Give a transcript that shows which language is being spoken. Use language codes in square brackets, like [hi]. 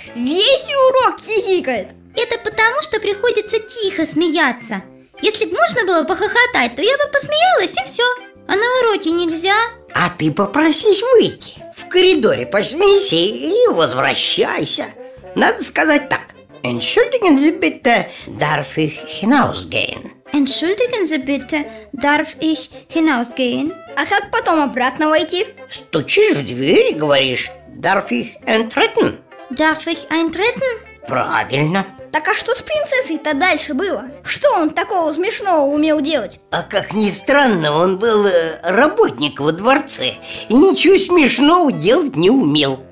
[ru] Весь урок хихикает. Это потому, что приходится тихо смеяться. Если бы можно было похохотать, то я бы посмеялась и все. А на уроке нельзя. А ты попросись выйти. В коридоре посмейся и возвращайся. Надо сказать так. [de] Entschuldigen Sie bitte, darf ich hinausgehen? Entschuldigen Sie bitte, darf ich hinausgehen? [ru] А как потом обратно войти? Стучишь в дверь и говоришь, [de] darf ich eintreten? Darf ich eintreten? [ru] Правильно. Так а что с принцессой-то дальше было? Что он такого смешного умел делать? А как ни странно, он был работник во дворце и ничего смешного делать не умел.